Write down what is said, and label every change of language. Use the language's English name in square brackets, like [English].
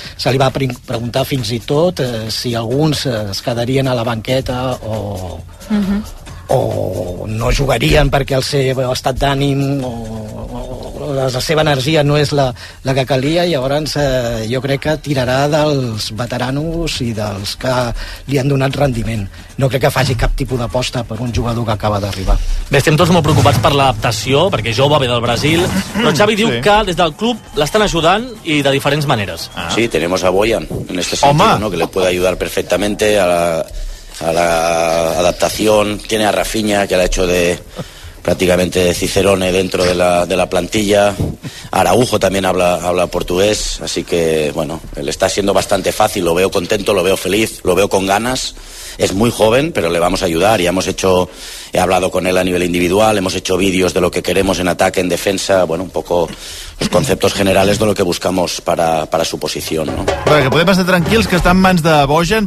[Catalan] Se li va preguntar fins i tot si alguns es quedarien a la banqueta o no jugarien perquè el seu estat d'ànim o la seva energia no és la que calia, i llavors jo crec que tirarà dels veteranos i dels que li han donat rendiment. No crec que faci cap tipus d'aposta per un jugador que acaba d'arribar. Bé, estem tots molt preocupats per l'adaptació, perquè jove ve del Brasil, però Xavi diu que des del club l'estan ajudant i de diferents maneres. [Spanish] Sí, tenemos a Boyan en este sentido, ¿no? Que le puede ayudar perfectamente a la adaptación. Tiene a Rafinha, que la ha hecho prácticamente de cicerone dentro de la plantilla. Araujo también habla portugués, así que bueno, le está siendo bastante fácil. Lo veo contento, lo veo feliz, lo veo con ganas. Es muy joven, pero le vamos a ayudar. Ya he hablado con él a nivel individual, hemos hecho vídeos de lo que queremos en ataque, en defensa, bueno, un poco los conceptos generales de lo que buscamos para su posición, ¿no? [Catalan] Bueno, que podem estar tranquils, que està en mans de Bojan.